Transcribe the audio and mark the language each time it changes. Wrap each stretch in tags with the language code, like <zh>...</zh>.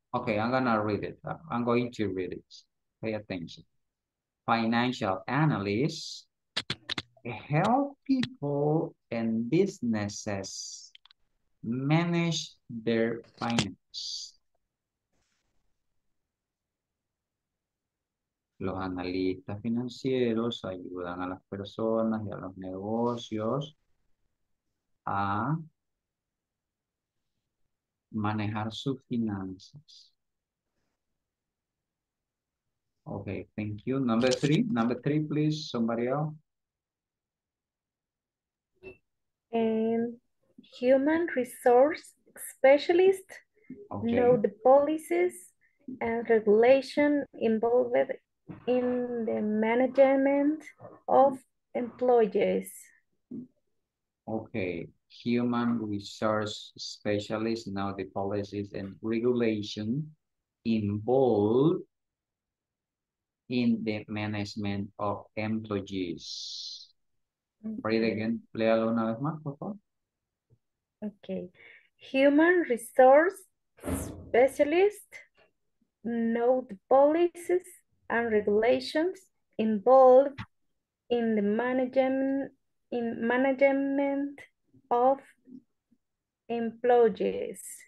<en>Okay, I'm gonna read it. I'm going to read it. Pay attention. Financial analysts help people and businesses manage their finances.</en> <es>Los analistas financieros ayudan a las personas y a los negocios a manejar sus finanzas.</es> <en>Okay, thank you. Number three, please, somebody else. Human resource specialist, okay. Know the policies and regulation involved in the management of employees. Okay, human resource specialist, now the policies and regulation involved in the management of employees. Okay. Read again,</en> <es>léalo una vez más, por favor.</es> <en>Okay, human resource specialist, know the policies and regulations involved in the management of employees.</en>